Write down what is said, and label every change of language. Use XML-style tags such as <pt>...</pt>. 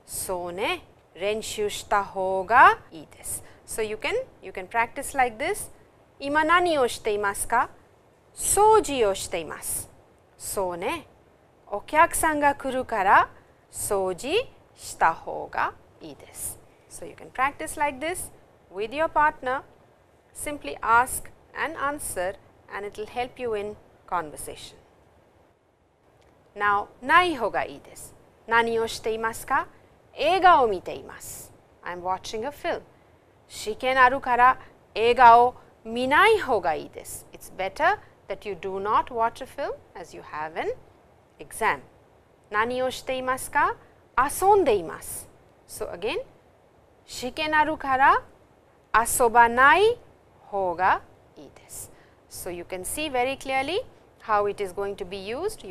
<ja>そうね、練習した方がいいです。</ja> <en>So you can practice like this.</en> <ja>今何をしていますか？掃除をしています。そうね、お客さんが来るから掃除した方がいいです。</ja> <en>So you can practice like this with your partner. Simply ask and answer and it will help you in conversation. Now,</en> <ja>ない方がいいです。何をしていますか？映画を見ています。</ja> <en>I'm watching a film.</en> <ja>試験あるから映画を見ない方がいいです。</ja> <en>It's better that you do not watch a film as you have an exam.</en> <ja>何をしていますか？遊んでいます。</ja> <en>So again,</en> <ja>試験あるから遊ばない方がいいです。</ja> <en>So you can see very clearly how it is going to be used.</en>